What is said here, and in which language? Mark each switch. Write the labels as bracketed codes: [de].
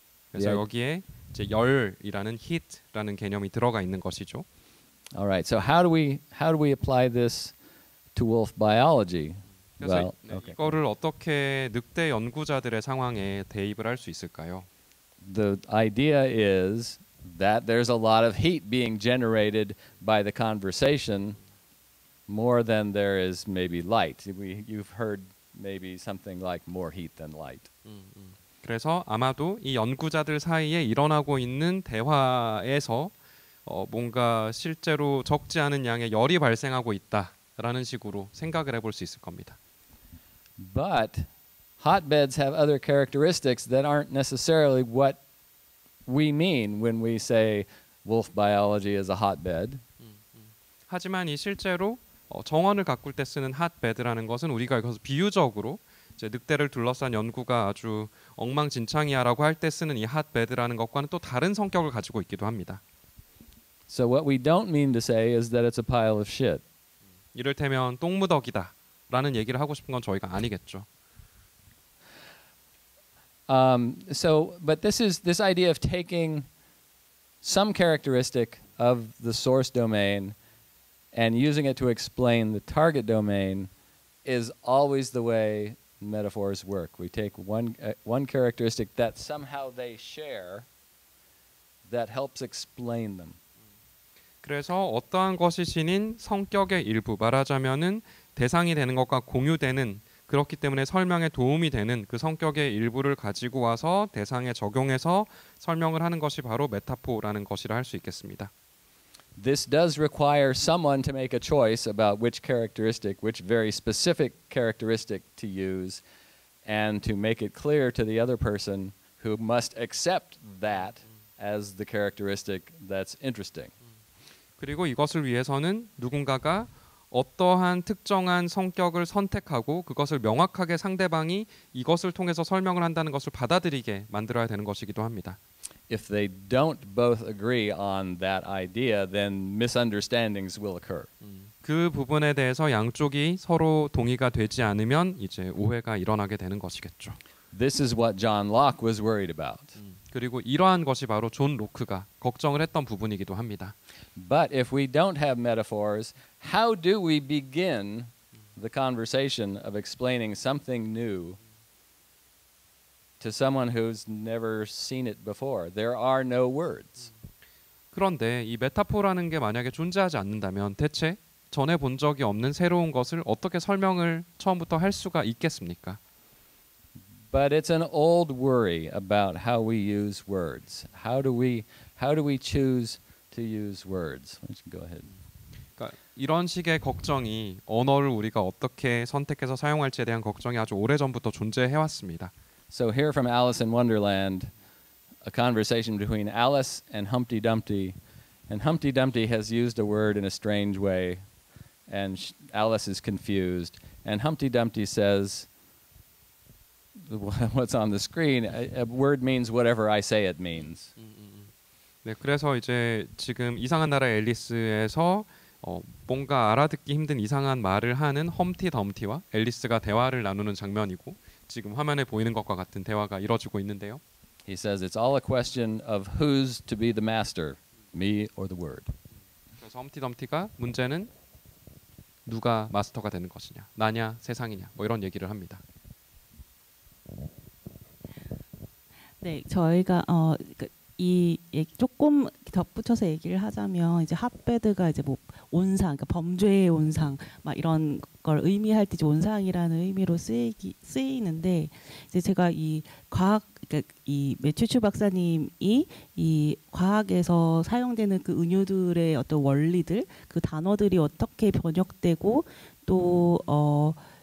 [ko] 그래서 여기에 이제 열이라는 heat라는 개념이 들어가 있는 것이죠. [en] All right. So how do we apply this to wolf biology? [ko] 그래서 well, 네, okay. 이거를 어떻게 늑대 연구자들의 상황에 대입을 할 수 있을까요? [en] The idea is that there's a lot of heat being generated by the conversation more than there is maybe light. You've heard maybe something like more heat than light. [ko] 그래서 아마도 이 연구자들 사이에 일어나고 있는 대화에서 뭔가 실제로 적지 않은 양의 열이 발생하고 있다라는 식으로 생각을 해볼 수 있을 겁니다. [en] But hotbeds have other characteristics that aren't necessarily what we mean when we say wolf biology is a hotbed. [ko] 하지만 이 실제로 정원을 가꿀 때 쓰는 핫베드라는 것은 우리가 여기서 비유적으로 이제 늑대를 둘러싼 연구가 아주 엉망진창이야라고 할 때 쓰는 이 핫베드라는 것과는 또 다른 성격을 가지고 있기도 합니다. [en] So what we don't mean to say is that it's a pile of shit. [ko] 이를테면 똥무더기다라는 얘기를 하고 싶은 건 저희가 아니겠죠. [en] But this idea of taking some characteristic of the source domain and using it to explain the target domain is always the way metaphors work. We take one characteristic that somehow they share that helps explain them. [ko] 그래서 어떠한 것이 지닌 성격의 일부 말하자면은 대상이 되는 것과 공유되는 그렇기 때문에 설명에 도움이 되는 그 성격의 일부를 가지고 와서 대상에 적용해서 설명을 하는 것이 바로 메타포라는 것이라 할 수 있겠습니다. [en] This does require someone to make a choice about which characteristic, which very specific characteristic to use and to make it clear to the other person who must accept that as the characteristic that's interesting. [ko] 그리고 이것을 위해서는 누군가가 어떠한 특정한 성격을 선택하고 그것을 명확하게 상대방이 이것을 통해서 설명을 한다는 것을 받아들이게 만들어야 되는 것이기도 합니다. [en] If they don't both agree on that idea, then misunderstandings will occur. [ko] 그 부분에 대해서 양쪽이 서로 동의가 되지 않으면 이제 오해가 일어나게 되는 것이겠죠. [en] This is what John Locke was worried about. [ko] 그리고 이러한 것이 바로 존 로크가 걱정을 했던 부분이기도 합니다. [en] But if we don't have metaphors, how do we begin the conversation of explaining something new to someone who's never seen it before? There are no words. [ko] 그런데 이 메타포라는 게 만약에 존재하지 않는다면 대체 전에 본 적이 없는 새로운 것을 어떻게 설명을 처음부터 할 수가 있겠습니까? [en] But it's an old worry about how we use words. How do we choose to use words? Let's go ahead. [ko] 그러니까 이런 식의 걱정이 언어를 우리가 어떻게 선택해서 사용할지에 대한 걱정이 아주 오래전부터 존재해 왔습니다. [en] So here from Alice in Wonderland, a conversation between Alice and Humpty Dumpty, and Humpty Dumpty has used a word in a strange way, and Alice is confused, and Humpty Dumpty says, what's on the screen, a word means whatever I say it means. [ko] 네, 그래서 이제 지금 이상한 나라 앨리스에서 뭔가 알아듣기 힘든 이상한 말을 하는 험티 덤티와 앨리스가 대화를 나누는 장면이고 지금 화면에 보이는 것과 같은 대화가 이루어지고 있는데요. [en] He says it's all a question of who's to be the master, me or the word. [ko] 그래서 험티 덤티가 문제는 누가 마스터가 되는 것이냐, 나냐, 세상이냐, 뭐 이런 얘기를 합니다. 네, 저희가 이 얘기 조금 덧붙여서 얘기를 하자면 이제 핫베드가 이제 뭐 온상, 그러니까 범죄의 온상, 막 이런 걸 의미할 때 온상이라는 의미로 쓰이는데 이제 제가 이 과학, 그러니까 이 매튜츄 박사님이 이 과학에서 사용되는 그 은유들의 어떤 원리들, 그 단어들이 어떻게 번역되고 또